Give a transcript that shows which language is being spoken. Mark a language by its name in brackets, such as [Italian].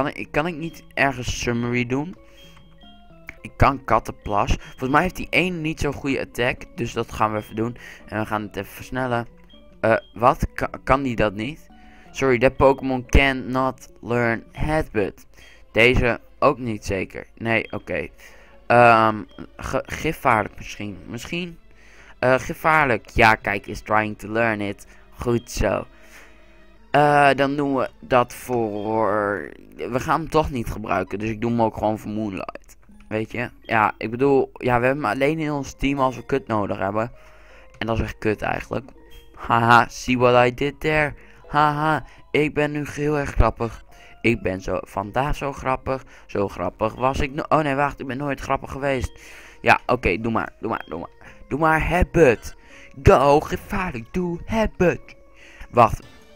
[Dutch] Kan ik niet ergens Summery doen? Ik kan Kattenplas. Volgens mij heeft die 1 niet zo'n goede attack. Dus dat gaan we even doen. En we gaan het even versnellen. Wat? Kan die dat niet? [English] Sorry, that Pokémon cannot learn Headbutt. [Dutch] Deze ook niet zeker. Nee, oké. Gevaarlijk misschien. Misschien? Gevaarlijk. Ja, kijk, [English] is trying to learn it. [Dutch] Goed zo. Dan doen we dat voor... We gaan hem toch niet gebruiken. Dus ik doe hem ook gewoon voor Moonlight. Weet je? Ja, ik bedoel... Ja, we hebben hem alleen in ons team als we kut nodig hebben. En dat is echt kut eigenlijk. [English] Haha, see what I did there? [Dutch] Haha, ik ben nu heel erg grappig. Ik ben zo vandaag zo grappig. Zo grappig was ik... Oh nee, wacht. Ik ben nooit grappig geweest. Ja, oké. Okay, doe maar. Doe maar Habit. Go, gevaarlijk. Doe Habit. Wacht.